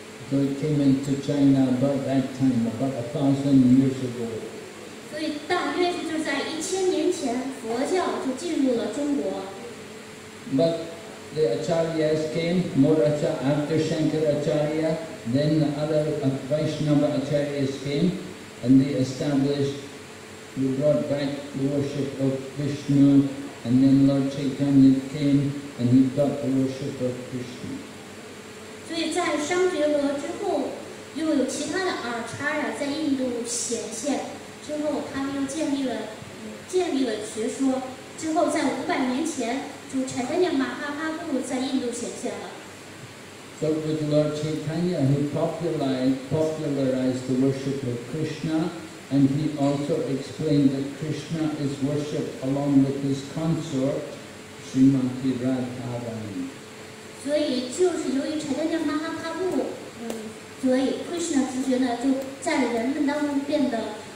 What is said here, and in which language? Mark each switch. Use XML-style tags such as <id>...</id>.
<en>So it came into China about that time, about 1,000 years ago.</en> <zh>所以大约就在1000年前，佛教就进入了中国。</zh> <en>But the acharyas came, more after Shankaracharya, then the other Vaishnava acharyas came, and they established, they brought back the worship of Vishnu, and then Lord Chaitanya came, and he taught the worship of Krishna.</en> <zh>所以在商觉罗之后，又有其他的 acharya 在印度显现。之后，他们又建立了学说。之后，在500年前，主产生的马哈帕布在印度显现了。</zh> <en>So with Lord Chaitanya, he popularized the worship of Krishna, and he also explained that Krishna is worshipped along with his consort, Srimati Radharani.</en> <zh>所以，就是由于产生的马哈帕布，所以 Krishna 直觉呢，就在人们当中变得。</zh>